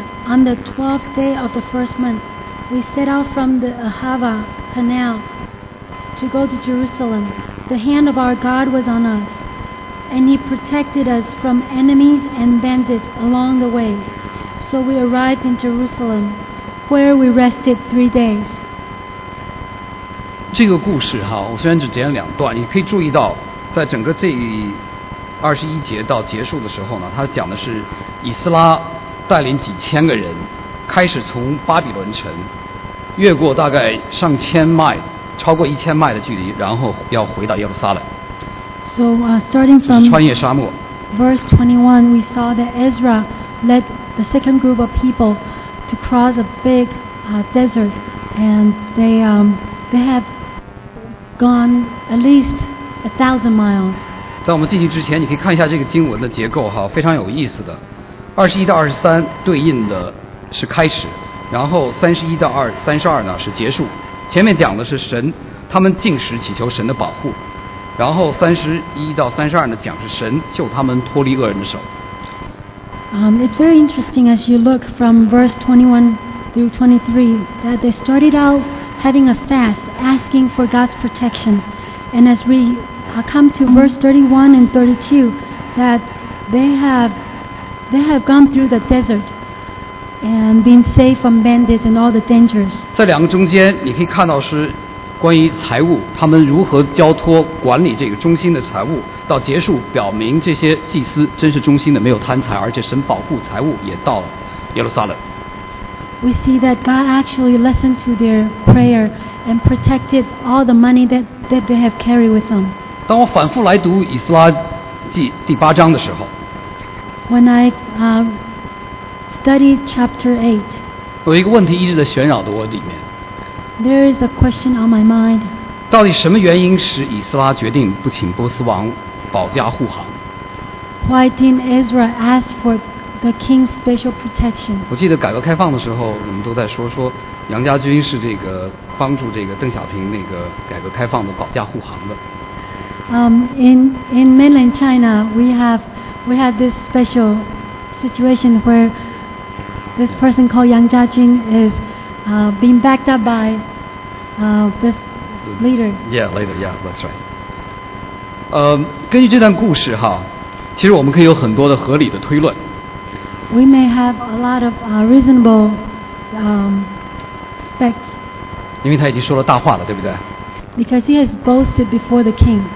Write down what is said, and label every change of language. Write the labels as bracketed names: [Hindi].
[English] On the 12th day of the first month, we set out from the Ahava Canal to go to Jerusalem. The hand of our God was on us, and he protected us from enemies and bandits along the way. So we arrived in Jerusalem, where we rested 3 days. [Chinese] 这个故事哈，我虽然只剪了两段，你可以注意到，在整个这二十一节到结束的时候呢，他讲的是以斯拉带领几千个人，开始从巴比伦城越过大概上千迈，超过一千迈的距离，然后要回到耶路撒冷。 [English] So starting from [Chinese] 穿越沙漠。 [English] Verse 21, we saw that Ezra led the second group of people to cross a big desert, and they have gone at least 1,000 miles. [Chinese] 在我们进行之前，你可以看一下这个经文的结构哈，非常有意思的。二十一到二十三对应的是开始，然后三十一到二三十二呢是结束。前面讲的是神，他们进食祈求神的保护，然后三十一到三十二呢讲是神救他们脱离恶人的手。 [English] It's very interesting as you look from verse 21 through 23 that they started out. Having a fast, asking for God's protection, and as we come to verse 31 and 32, that they have gone through the desert and been saved from bandits and all the dangers. [Chinese] 在两个中间，你可以看到是关于财务，他们如何交托管理这个中心的财务，到结束表明这些祭司真是忠心的，没有贪财，而且神保护财务也到了耶路撒冷。 [English] We see that God actually listened to their prayer and protected all the money that they have carried with them. [Chinese] 当我反复来读以斯拉记第八章的时候， [English] When I studied chapter 8, [Chinese] 有一个问题一直在旋绕着我里面。 [English] There is a question on my mind. [Chinese] 到底什么原因使以斯拉决定不请波斯王保驾护航？ [English] Why didn't Ezra ask for? The king's special protection. [Chinese] 我记得改革开放的时候，我们都在说杨家军是这个帮助这个邓小平那个改革开放的保驾护航的。 [English] In mainland China, we have this special situation where this person called Yang Jiajun is being backed up by this leader. Yeah, leader. Yeah, that's right. [Chinese] 根据这段故事哈，其实我们可以有很多的合理的推论。 [English] We may have a lot of reasonable specs. [Chinese] 因为他已经说了大话了，对不对？ [English] Because he has boasted before the king.